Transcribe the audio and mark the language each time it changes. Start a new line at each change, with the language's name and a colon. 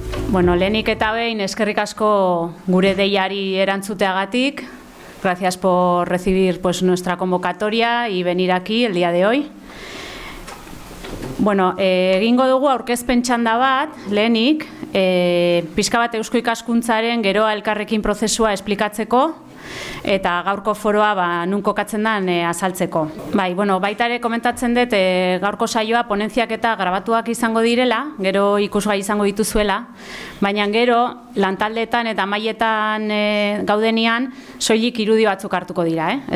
Basque: Bueno, lehenik eta behin eskerrik asko gure deiari erantzuteagatik.
Spanish: Gracias por recibir pues nuestra convocatoria y venir aquí el día de hoy.
Basque: Bueno, egingo dugu aurkezpen txanda bat, lehenik, pixka bat Eusko Ikaskuntzaren geroa elkarrekin prozesua esplikatzeko eta gaurko foroa ba nun kokatzen den azaltzeko. Bai, bueno, baita ere komentatzen dut gaurko saioa ponentziak eta grabatuak izango direla, gero ikusgai izango dituzuela, baina gero lantaldeetan eta mailetan gaudenean soilik irudi batzuk hartuko dira, eh?